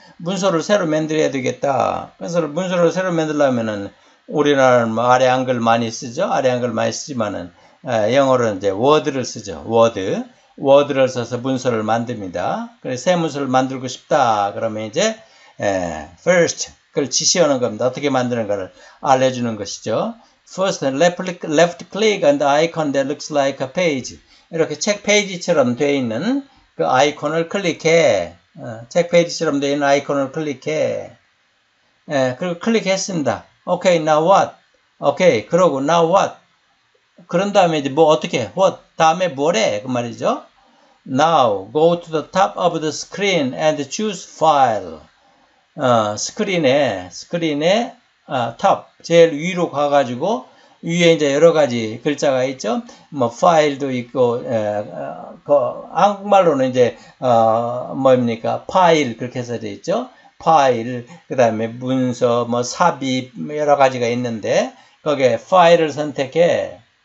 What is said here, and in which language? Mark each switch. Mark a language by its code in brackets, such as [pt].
[ko] 문서를 새로 만들어야 되겠다. 그래서 문서를 새로 만들려면은 우리나라 아래 한글 많이 쓰죠. 아래 한글 많이 쓰지만은 영어로는 이제 워드를 쓰죠. 워드. 워드를 써서 문서를 만듭니다. 그래서 새 문서를 만들고 싶다. 그러면 이제 first 그걸 지시하는 겁니다. 어떻게 만드는 걸 알려주는 것이죠. [en] First left click on the icon that looks like a page. [ko] 이렇게 책 페이지처럼 되어 있는 그 아이콘을 클릭해. 책 페이지처럼 되어 있는 아이콘을 클릭해. 그리고 클릭했습니다. [en] Okay, now what? Okay, [ko] 그러고 [en] now what? [ko] 그런 다음에 이제 뭐 어떻게 what 다음에 뭐래 그 말이죠. [en] Now go to the top of the screen and choose file. [ko] 스크린에 top 제일 위로 가가지고 위에 이제 여러 가지 글자가 있죠. 뭐 파일도 있고 그 한국말로는 이제 뭐입니까 파일 그렇게 해서 돼 있죠. 파일 그 다음에 문서 뭐 삽입 여러 가지가 있는데 거기에 파일을 선택해.